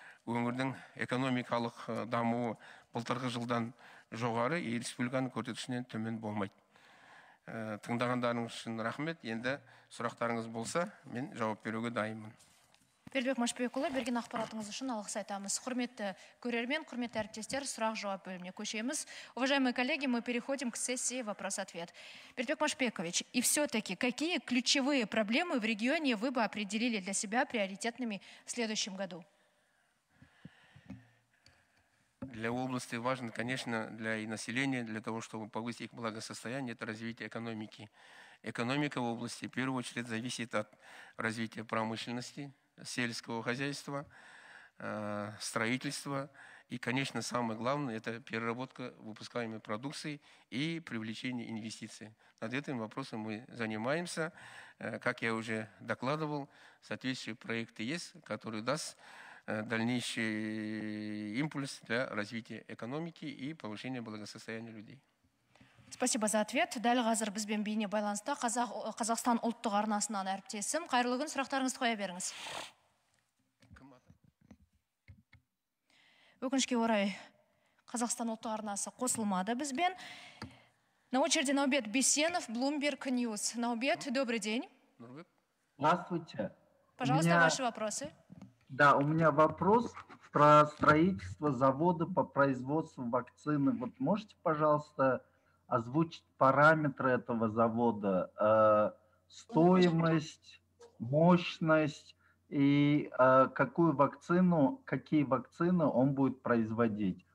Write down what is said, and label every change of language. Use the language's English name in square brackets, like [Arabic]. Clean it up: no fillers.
[Kazakh] Өңірдің экономикалық дамуы былтырғы жылдан жоғары, республиканың көрсеткішінен төмен болмайды. Тыңдағандарыңыз үшін рахмет. Енді сұрақтарыңыз болса, мен жауап беруге дайынмын. Бердібек Машбекұлы, берген ақпаратыңыз үшін алғыс айтамыз. Құрметті көрермен, құрметті әріптестер, сұрақ-жауап бөліміне көшеміз. [Russian] Уважаемые коллеги, мы переходим к сессии вопрос-ответ. Бердібек Машбекович, и все-таки, какие ключевые проблемы в регионе вы бы определили для себя приоритетными в следующем году? Для области важно, конечно, для и населения, для того, чтобы повысить их благосостояние, это развитие экономики. Экономика в области, в первую очередь, зависит от развития промышленности, сельского хозяйства, строительства. И, конечно, самое главное – это переработка выпускаемой продукции и привлечение инвестиций. Над этим вопросом мы занимаемся. Как я уже докладывал, соответствующие проекты есть, которые даст дальнейший импульс для развития экономики и повышения благосостояния людей. Спасибо за ответ. [Kazakh] Дәл қазір бізбен бейне байланыста Қазақстан ұлттық арнасынан әріптесім. Қайырлы күн, сұрақтарыңызды қоя беріңіз. Өкінішке орай, Қазақстан ұлттық арнасы қосылмады бізбен. [Russian] На очереди Наубет Бисенов, Bloomberg News. Наубет, добрый день. Здравствуйте. Пожалуйста, меня... ваши вопросы. Да, у меня вопрос про строительство завода по производству вакцины. Вот можете, пожалуйста, озвучить параметры этого завода? Стоимость, мощность и какую вакцину, какие вакцины он будет производить?